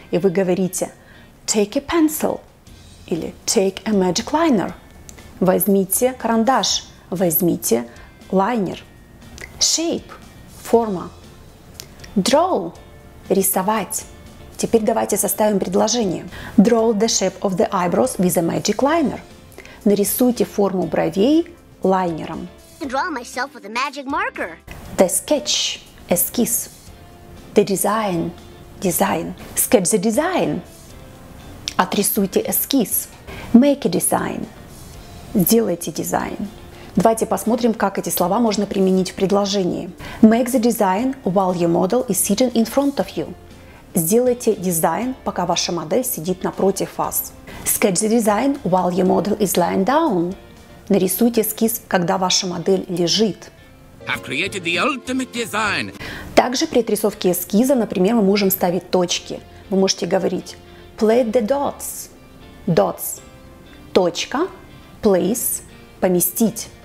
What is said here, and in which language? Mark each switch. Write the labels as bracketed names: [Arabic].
[Russian] И вы говорите [English] take a pencil [Russian] или [English] take a magic liner. [Russian] Возьмите карандаш, возьмите лайнер. [English] Shape – [Russian] форма. [English] Draw – [Russian] рисовать. Теперь давайте составим предложение. [English] Draw the shape of the eyebrows with a magic liner. [Russian] Нарисуйте форму бровей лайнером. [English] Draw myself with a magic marker. The sketch – [Russian] эскиз. [English] The design – [Russian] дизайн. [English] Sketch the design – [Russian] отрисуйте эскиз. [English] Make a design – [Russian] сделайте дизайн. Давайте посмотрим, как эти слова можно применить в предложении. [English] Make the design while your model is sitting in front of you. [Russian] Сделайте дизайн, пока ваша модель сидит напротив вас. [English] Sketch the design while your model is lying down. [Russian] Нарисуйте эскиз, когда ваша модель лежит. [English] I've created the ultimate design. [Russian] Также при отрисовке эскиза, например, мы можем ставить точки. Вы можете говорить [English] plate the dots. Dots. [Russian] Точка. [English] Place. [Russian] Поместить.